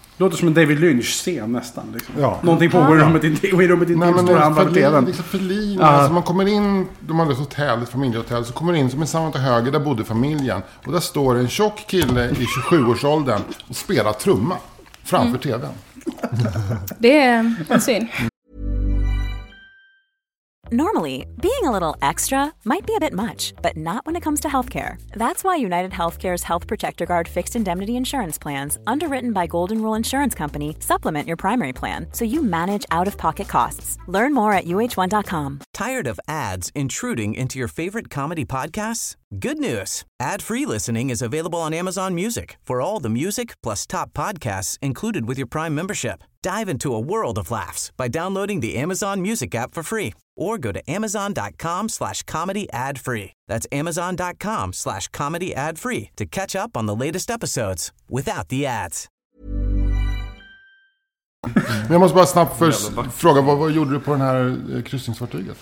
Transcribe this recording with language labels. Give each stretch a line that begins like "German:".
Swedish: Låter som en David Lynch-scen nästan. Liksom. Ja. Någonting pågår i rummet Förlin. Alltså, man kommer in, de har ett hotell, ett familjehotell, så kommer in som en samman till höger, där bodde familjen. Och där står en tjock kille i 27-årsåldern och spelar trumma framför tvn. Det är en syn.
English: Normally, being a little extra might be a bit much, but not when it comes to healthcare. That's why United Healthcare's Health Protector Guard fixed indemnity insurance plans, underwritten by Golden Rule Insurance Company, supplement your primary plan so you manage out-of-pocket costs. Learn more at uh1.com. Tired of ads intruding into your favorite comedy podcasts? Good news. Ad-free listening is available on Amazon Music for all the music plus top podcasts included with your Prime membership. Dive into a world of laughs by downloading the Amazon Music app for free. Or go to amazon.com/comedyadfree. That's amazon.com/comedyadfree to catch up on the latest episodes without the ads.
Swedish: Men jag måste bara snabbt först fråga, vad gjorde du på den här kryssningsfartyget?